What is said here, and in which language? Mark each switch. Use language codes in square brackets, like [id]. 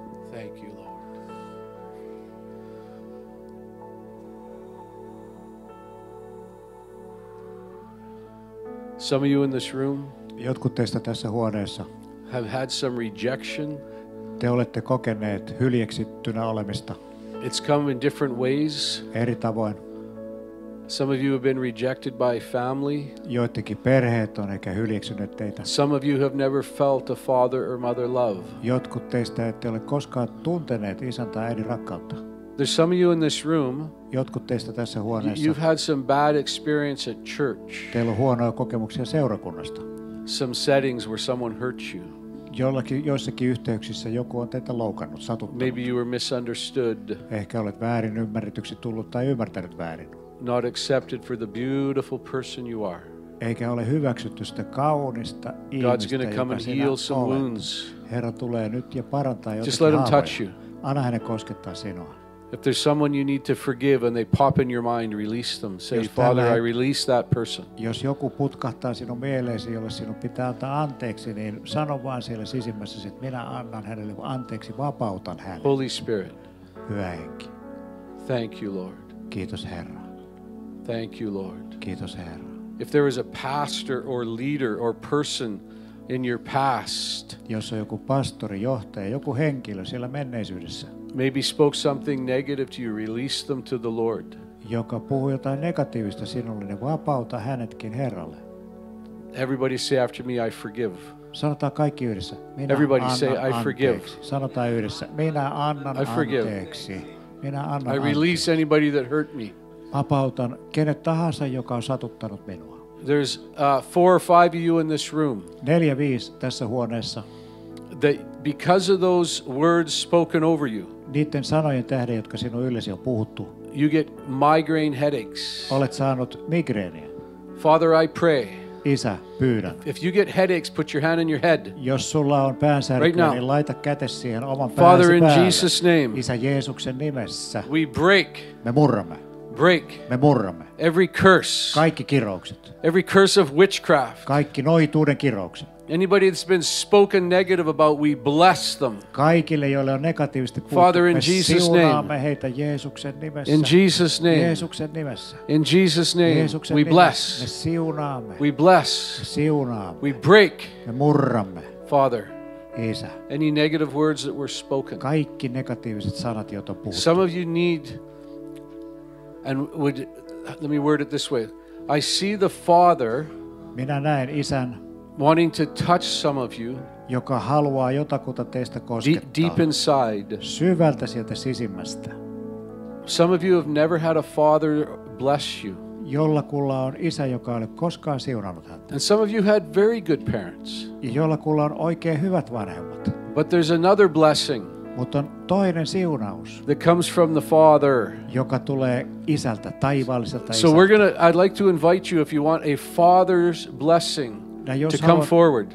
[en] Thank you, Lord. Some of you in this room, [fi] jotkut teistä tässä huoneessa, [en] have had some rejection. [fi] Te olette kokeneet hyljeksittynä olemista. [en] It's come in different ways. [fi] Eri tavoin. [en] Some of you have been rejected by family. [fi] Joitakin perheet on ehkä hyljeksynyt teitä. [en] Some of you have never felt a father or mother love. [fi] Jotkut teistä ette ole koskaan tunteneet isän tai äidin rakkautta. [en] There's some of you in this room. [fi] Jotkut teistä tässä huoneessa. [en] You've had some bad experience at church. [fi] Teillä on huonoja kokemuksia seurakunnasta. [en] Some settings where someone hurt you. [fi] Joissakin yhteyksissä joku on teitä loukannut, satuttanut. [en] Maybe you were misunderstood. [fi] Ehkä olet väärin ymmärretyksi tullut tai ymmärtänyt väärin. [en] Not accepted for the beautiful person you are. [fi] Eikä ole hyväksytty sitä kaunista ihmistä, [en] God's gonna come and heal some wounds. [fi] Herra tulee nyt ja parantaa jotakin. [en] Just let him touch you. [fi] Anna hänen koskettaa sinua. [en] If there's someone you need to forgive and they pop in your mind, release them. Say, Father, I release that person. [fi] Jos joku putkahtaa sinun mieleesi, jolle sinun pitää antaa anteeksi, niin sano vaan siellä sisimmässä, että minä annan hänelle anteeksi, vapautan hänelle. [en] Holy Spirit. [fi] Hyvä henki. [en] Thank you, Lord. [fi] Kiitos, Herra. [en] Thank you, Lord. [fi] Kiitos, Herra. [en] If there was a pastor or leader or person in your past, [fi] jos on joku pastori, johtaja, joku henkilö siellä menneisyydessä, [en] maybe spoke something negative to you, release them to the Lord. [fi] Joka puhui jotain negatiivista sinulle, niin vapauta hänetkin Herralle. [en] Everybody say after me, I forgive. [fi] Sanotaan kaikki yhdessä. Minä [en] Everybody [fi] annan [en] say, [fi] anteeksi. [en] I forgive. [fi] Sanotaan yhdessä. Minä annan [en] I forgive. [fi] Anteeksi. Minä annan [en] I release [fi] anteeksi. [en] Anybody that hurt me. [fi] Vapautan kenet tahansa, joka on satuttanut minua. [en] There's four or five of you in this room. [fi] 4-5 tässä huoneessa. [en] That because of those words spoken over you. [fi] Niiden sanojen tähden, jotka sinun yllesi on puhuttu. [en] You get migraine headaches. [fi] Olet saanut migreeniä. [en] Father, I pray. [fi] Isä, pyydän. [en] If you get headaches, put your hand on your head. [fi] Jos sulla on päänsärkyä, [en] right now, [fi] niin laita kätesi siihen oman päänsä [en] Father, [fi] päälle. [en] In Jesus' name. [fi] Isä Jeesuksen nimessä. [en] We break. [fi] Me murramme. [en] Break. [fi] Me murramme. [en] Every curse. [fi] Kaikki kiroukset. [en] Every curse of witchcraft. [fi] Kaikki noituuden kiroukset. [en] Anybody that's been spoken negative about, we bless them. [fi] Kaikille, joille on negatiivisesti puhuttu, [en] Father, in Jesus' name. [fi] Me siunaamme heitä Jeesuksen nimessä. [en] In Jesus' name. [fi] Jeesuksen nimessä. [en] In Jesus' name. [fi] Jeesuksen [en] we bless. [fi] Me siunaamme. [en] We bless. [fi] Me siunaamme. [en] We break. [fi] Me murramme. [en] Father. [fi] Isä. [en] Any negative words that were spoken. [fi] Kaikki negatiiviset sanat, joita on puhuttu. [en] Some of you need... And would let me word it this way. I see the Father [fi] Minä näen isän, [en] wanting to touch some of you, [fi] joka haluaa jotakuta teistä koskettaa, [en] deep inside, [fi] syvältä sieltä sisimmästä. [en] Some of you have never had a father bless you. [fi] Jollakulla on isä, joka ei ole koskaan siunannut häntä. [en] And some of you had very good parents. [fi] Jollakulla on oikein hyvät vanhemmat. [en] But there's another blessing. [fi] Mutta on toinen siunaus, [en] that comes from the Father. [fi] Joka tulee isältä, taivaalliselta isältä. [en] So we're gonna. I'd like to invite you if you want a father's blessing to come forward.